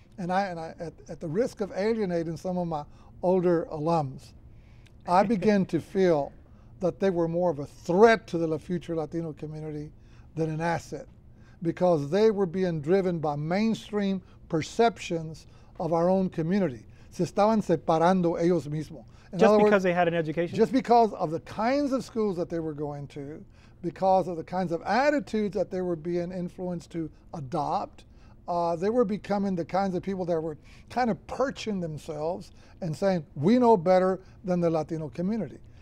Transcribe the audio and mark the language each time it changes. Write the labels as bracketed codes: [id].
[en] And I at the risk of alienating some of my older alums, I began to feel that they were more of a threat to the future Latino community than an asset, because they were being driven by mainstream perceptions of our own community. [es] Se estaban separando ellos mismos. [en] Just because they had an education? Just because of the kinds of schools that they were going to, because of the kinds of attitudes that they were being influenced to adopt, they were becoming the kinds of people that were kind of perching themselves and saying, we know better than the Latino community.